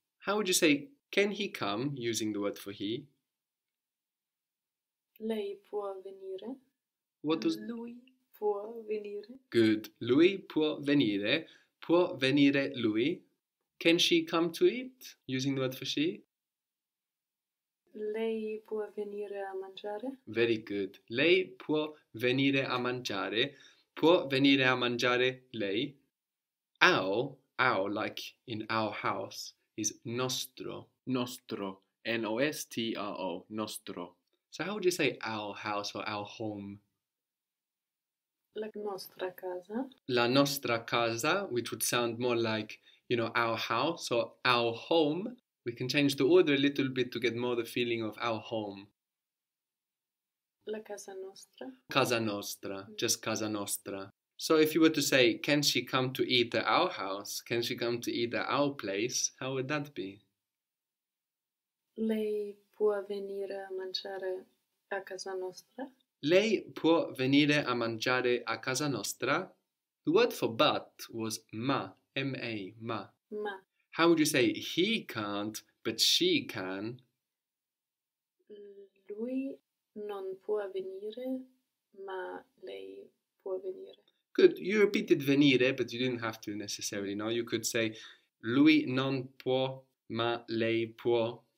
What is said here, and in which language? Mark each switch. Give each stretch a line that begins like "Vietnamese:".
English: How would you say, can he come, using the word for he?
Italian: Lei può venire.
English: What does...
Italian: Lui può venire. Good. Lui può venire. Può venire lui.
English: Can she come to eat, using the word for she?
Italian: Lei può venire a mangiare.
English: Very good.
Italian: Lei può venire a mangiare. Può venire a mangiare lei.
English: Our, like in our house, is nostro. Nostro. N-O-S-T-R-O. Nostro. So how would you say our house or our home?
Italian: La nostra casa. La nostra casa,
English: which would sound more like, you know, our house or our home. We can change the order a little bit to get more the feeling of our home.
Italian: La casa nostra. Casa nostra. Just casa nostra.
English: So if you were to say, can she come to eat at our house? Can she come to eat at our place? How would that be?
Italian: Lei può venire a mangiare a casa nostra. Lei può venire a mangiare a casa nostra.
English: The word for but was ma, M-A, ma.
Italian: Ma.
English: How would you say he can't, but she can?
Italian: Lui non può venire, ma lei può venire.
English: Good. You repeated venire, but you didn't have to necessarily, no? You could say,
Italian: lui non può, ma lei può.